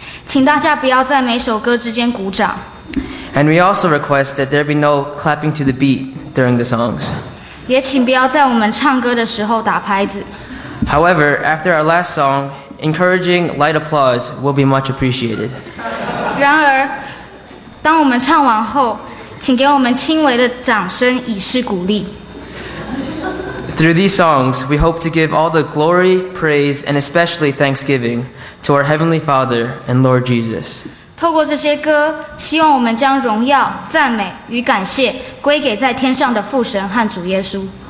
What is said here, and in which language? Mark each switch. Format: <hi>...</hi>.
<zh>请大家不要在每首歌之间鼓掌。</zh> <en>And we also request that there be no clapping to the beat during the songs.</en> <zh>也请不要在我们唱歌的时候打拍子。</zh> <en>However, after our last song, encouraging light applause will be much appreciated.</en> <zh>然而，当我们唱完后，请给我们轻微的掌声以示鼓励。</zh> <en>Through these songs, we hope to give all the glory, praise, and especially thanksgiving to our Heavenly Father and Lord Jesus.</en> <zh>透过这些歌，希望我们将荣耀、赞美与感谢归给在天上的父神和主耶稣。</zh>